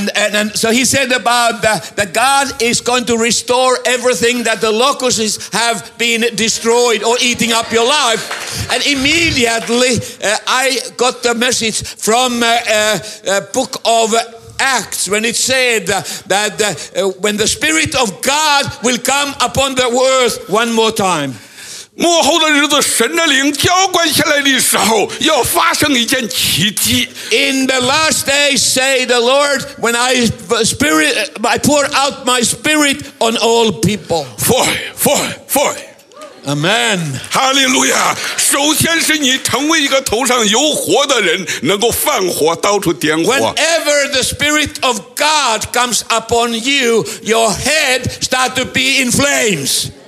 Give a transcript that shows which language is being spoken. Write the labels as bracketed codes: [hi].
[en] And so he said about that God is going to restore everything that the locusts have been destroyed or eating up your life. And immediately I got the message from Book of Acts when it said that when the Spirit of God will come upon the earth one more time. [zh] 末后的日子，神的灵浇灌下来的时候，要发生一件奇迹。 [en] In the last days, say the Lord, when I pour out my spirit on all people. Foy. Amen. Hallelujah. [zh] 首先是你成为一个头上有火的人，能够放火，到处点火。 [en] Whenever the Spirit of God comes upon you, your head start to be in flames.